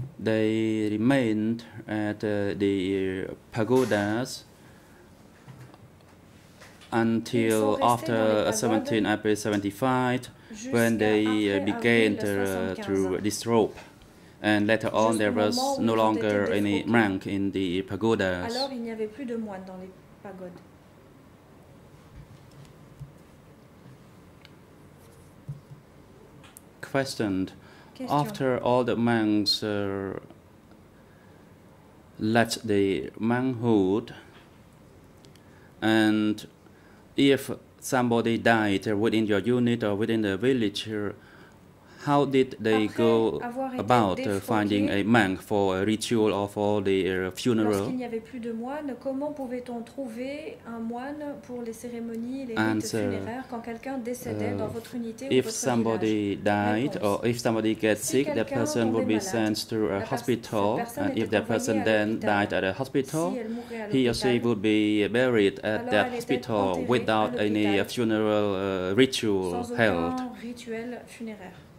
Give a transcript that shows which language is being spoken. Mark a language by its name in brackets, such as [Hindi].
[English] They remained at the pagodas until after 17 April 75, when they began to disrobe. And later on, there was no longer any monk in the pagodas. [French] Alors, il n'y avait plus de moines dans les pagodes. [English] Questioned. After all the monks left the monkhood, and if somebody died within your unit or within the village, how did they [French] après [English] go about finding a monk for a ritual or for the funeral? [French] Lorsqu'il n'y avait plus de moines, comment pouvait-on trouver un moine pour les cérémonies, les rites funéraires quand quelqu'un décédait dans votre unité ou votre village? [English] If somebody died or if somebody gets sick, that person would be sent to a hospital. And if that person then died at a hospital, he or she would be buried at that hospital without any funeral ritual held. [French] Sans aucun rituel funéraire.